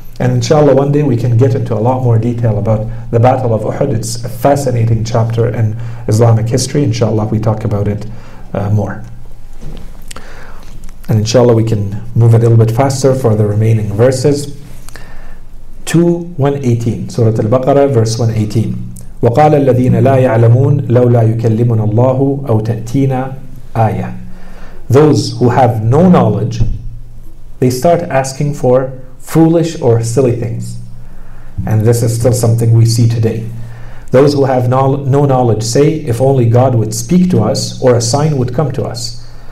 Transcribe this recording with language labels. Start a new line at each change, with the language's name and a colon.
English: And inshallah, one day we can get into a lot more detail about the Battle of Uhud. It's a fascinating chapter in Islamic history. Inshallah, we talk about it more. And inshallah, we can move a little bit faster for the remaining verses. 2:118, Surah Al-Baqarah, verse 118.
Arabic: وقال الذين لا يعلمون لولا يكلمنا الله أو تأتينا آية.
English: Those who have no knowledge, they start asking for foolish or silly things. And this is still something we see today. Those who have no knowledge say, if only God would speak to us or a sign would come to us.